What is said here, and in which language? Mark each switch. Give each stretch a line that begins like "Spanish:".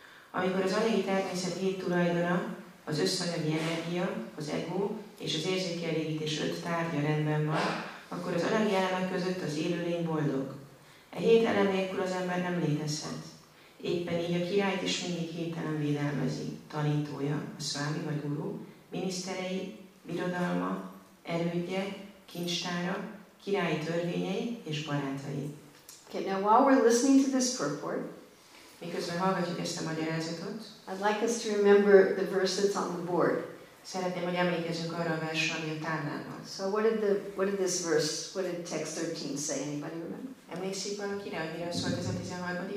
Hungarian: Amikor az anyagi természet hét tulajdona, az összanyagi energia, az ego és az érzékelégítés öt tárgya rendben van, akkor az anyagi elemek között az élőlény boldog. E hét elem nélkül az ember nem létezhet. Éppen így a királyt is mindig hét elem védelmezi, tanítója, a szvámi vagy guru, miniszterei, birodalma, erődje, kincstára, királyi törvényei és barátai.
English: Okay, now while we're listening to this purport,
Hungarian: miközben hallgatjuk ezt a magyarázatot,
English: I'd like us to remember the verse that's on the board.
Hungarian: Szeretném, hogy emlékezzünk arra a versre, ami a táblán van.
English: So what did this verse, what did text 13 say? Anybody remember?
Hungarian: Emlékszik valaki, hogy mire szólt ez a 13.